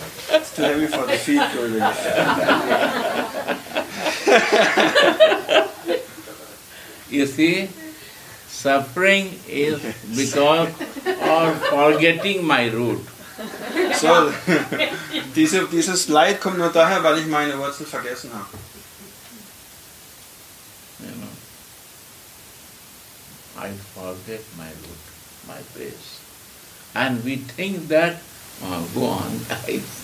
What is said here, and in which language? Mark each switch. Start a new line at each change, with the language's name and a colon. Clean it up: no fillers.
English: It's too heavy for the feet, really. You see, suffering is because of forgetting my root.
German: So, dieses Leid kommt nur daher, weil ich meine Wurzel vergessen habe.
English: You know, I forget my root, my base. And we think that, oh, go on, I